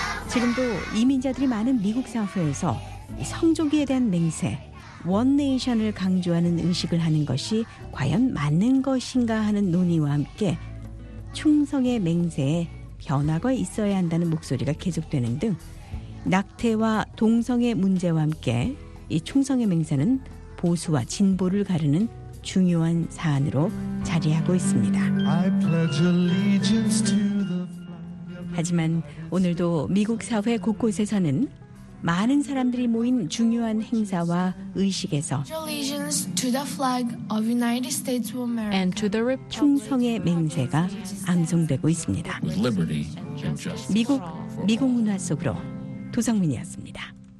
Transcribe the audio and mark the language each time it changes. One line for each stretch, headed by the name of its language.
Korean: 지금도 이민자들이 많은 미국 사회에서 성조기에 대한 맹세, 원네이션을 강조하는 의식을 하는 것이 과연 맞는 것인가 하는 논의와 함께 충성의 맹세에 변화가 있어야 한다는 목소리가 계속되는 등 낙태와 동성애 문제와 함께 이 충성의 맹세는 보수와 진보를 가르는 중요한 사안으로 자리하고 있습니다. 하지만 오늘도 미국 사회 곳곳에서는 많은 사람들이 모인 중요한 행사와 의식에서
English: to the flag of United States of America. And to the Republic.
Korean: 충성의 맹세가 암송되고 있습니다.
English: With liberty and justice.
Korean: 미국 문화 속으로 도성민이었습니다.